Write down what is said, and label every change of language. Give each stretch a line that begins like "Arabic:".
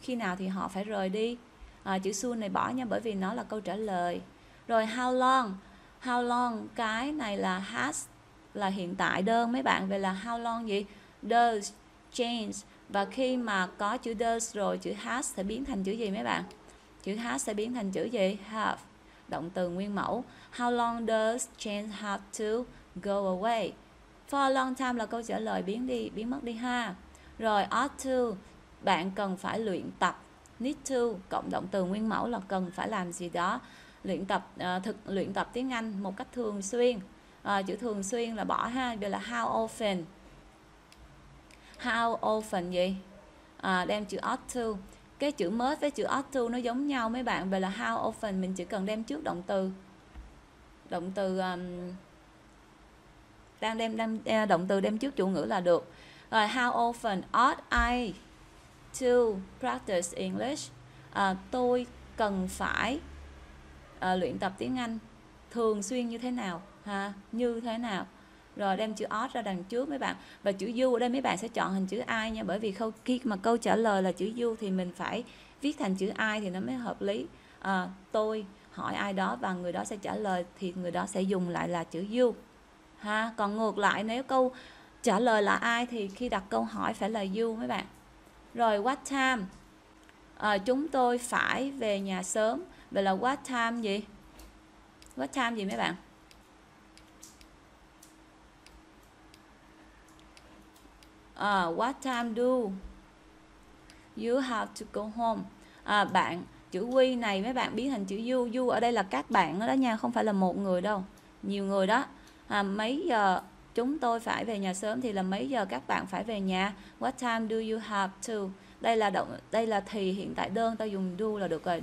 Vietnamese: Khi nào thì họ phải rời đi? Chữ soon này bỏ nha, bởi vì nó là câu trả lời. Rồi
English: how long? How long,
Vietnamese: cái này là has, là hiện tại đơn mấy bạn. Vậy là how long gì?
English: Does change.
Vietnamese: Và khi mà có chữ does rồi, chữ has sẽ biến thành chữ gì mấy bạn? Chữ has sẽ biến thành chữ gì? Have, động từ nguyên mẫu.
English: How long does change have to go away? For a long time
Vietnamese: là câu trả lời biến đi, biến mất đi ha. Rồi
English: ought to,
Vietnamese: bạn cần phải luyện tập.
English: Need to
Vietnamese: cộng động từ nguyên mẫu là cần phải làm gì đó. Luyện tập, thực luyện tập tiếng Anh một cách thường xuyên. Chữ thường xuyên là bỏ ha. Vậy là
English: how often? How often
Vietnamese: gì? Đem chữ ought to. Cái chữ must với chữ
English: ought to
Vietnamese: nó giống nhau mấy bạn. Vậy là
English: how often
Vietnamese: mình chỉ cần đem trước động từ. Động từ đang đem đem động từ đem trước chủ ngữ là được.
English: Rồi how often ought I to practice English?
Vietnamese: Tôi cần phải luyện tập tiếng Anh thường xuyên như thế nào? Ha, như thế nào? Rồi đem chữ ought ra đằng trước mấy bạn. Và chữ you ở đây mấy bạn sẽ chọn thành chữ I nha, bởi vì khi mà câu trả lời là chữ you thì mình phải viết thành chữ I thì nó mới hợp lý. Tôi hỏi ai đó và người đó sẽ trả lời thì người đó sẽ dùng lại là chữ you. Ha, còn ngược lại nếu câu trả lời là ai thì khi đặt câu hỏi phải là you mấy bạn. Rồi
English: what time?
Vietnamese: Chúng tôi phải về nhà sớm. Vậy là what time gì?
English: What time
Vietnamese: gì mấy bạn?
English: What time do you have to go home?
Vietnamese: Bạn, chữ we này mấy bạn biến thành chữ you. You ở đây là các bạn đó nha, không phải là một người đâu. Nhiều người đó. Mấy giờ chúng tôi phải về nhà sớm thì là mấy giờ các bạn phải về nhà?
English: What time do you have to?
Vietnamese: Đây là thì hiện tại đơn, ta dùng do là được rồi.